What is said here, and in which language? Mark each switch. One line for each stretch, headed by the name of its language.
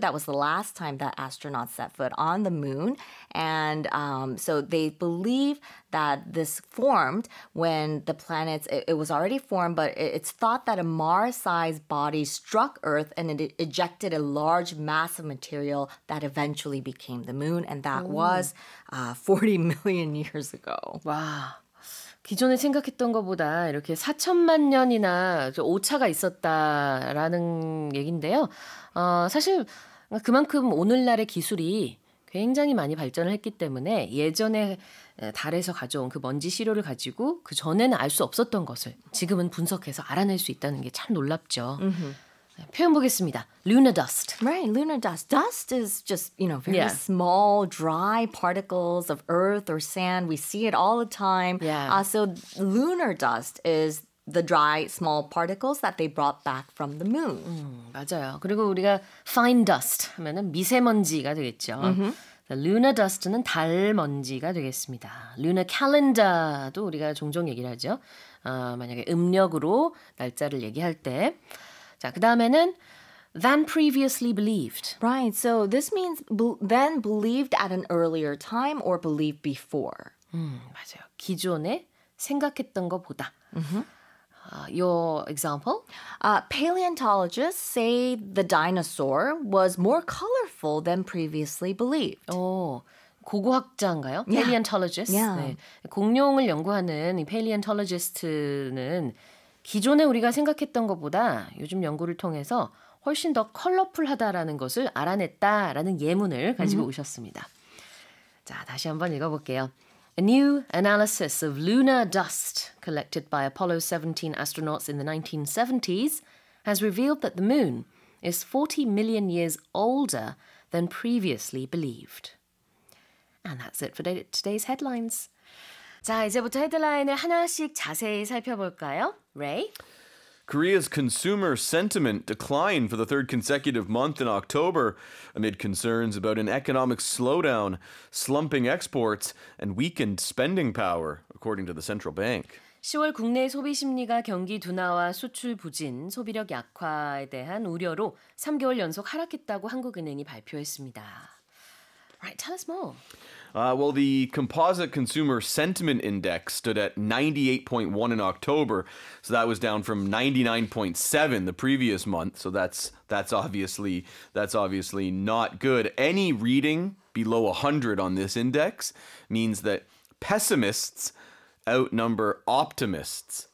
English: That was the last time that astronauts set foot on the moon. And so they believe that this formed when the planets, it was already formed, but it's thought that a Mars-sized body struck Earth and it ejected a large mass of material that eventually became the moon. And that was 40 million years ago. Wow.
Korean: 기존에 생각했던 것보다 이렇게 4천만 년이나 오차가 있었다라는 얘긴데요. 사실 그만큼 오늘날의 기술이 굉장히 많이 발전을 했기 때문에 예전에 달에서 가져온 그 먼지 시료를 가지고 그 전에는 알 수 없었던 것을 지금은 분석해서 알아낼 수 있다는 게 참 놀랍죠. Mm-hmm. 표현 보겠습니다. Lunar dust.
English: Right, lunar dust. Dust is just, you know, very small, dry particles of earth or sand. We see it all the time. Yeah. So lunar dust is the dry, small particles that they brought back from the moon.
Korean: 맞아요. 그리고 우리가 fine dust 하면은 미세먼지가 되겠죠. Mm-hmm. Lunar dust는 달 먼지가 되겠습니다. Lunar calendar도 우리가 종종 얘기를 하죠. 만약에 음력으로 날짜를 얘기할 때 자, 그 다음에는
English: than previously believed. Right, so this means then believed at an earlier time or believed before.
Korean: 맞아요. 기존에 생각했던 것보다. Mm-hmm.
English: Your example? Paleontologists say the dinosaur was more colorful than previously believed.
Korean: 오, 고고학자인가요? Paleontologist.
English: Yeah. Yeah.
Korean: 네. 공룡을 연구하는 이 paleontologist는 기존에 우리가 생각했던 것보다 요즘 연구를 통해서 훨씬 더 컬러풀하다라는 것을 알아냈다라는 예문을 가지고 오셨습니다. 자, 다시 한번 읽어볼게요.
English: A new analysis of lunar dust collected by Apollo 17 astronauts in the 1970s has revealed that the moon is 40 million years older than previously believed. And that's it for today's headlines.
Korean: 자, 이제부터 헤드라인을 하나씩 자세히 살펴볼까요?
English: Ray? Korea's consumer sentiment declined for the third consecutive month in October amid concerns about an economic slowdown, slumping exports, and weakened spending power, according to the central bank.
Korean: 10월 국내 소비 심리가 경기 둔화와 수출 부진, 소비력 약화에 대한 우려로 3개월 연속 하락했다고 한국은행이 발표했습니다.
English: Right, tell us more. Well, the composite consumer sentiment index stood at 98.1 in October, so that was down from 99.7 the previous month. So that's obviously not good. Any reading below 100 on this index means that pessimists outnumber optimists.